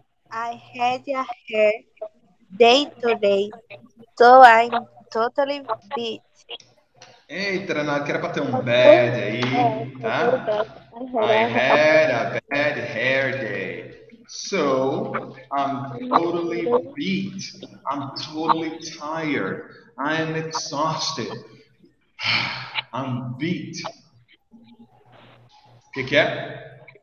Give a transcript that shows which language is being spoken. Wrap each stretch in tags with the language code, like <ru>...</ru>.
<en>I had a hair day today, so I'm totally beat.</en> <pt>Eita, Renato, que era pra ter bad aí, tá?</pt> <en>I had a bad hair day, so I'm totally beat. I'm totally tired. I am exhausted. I'm beat.</en> <pt>Que é?</pt>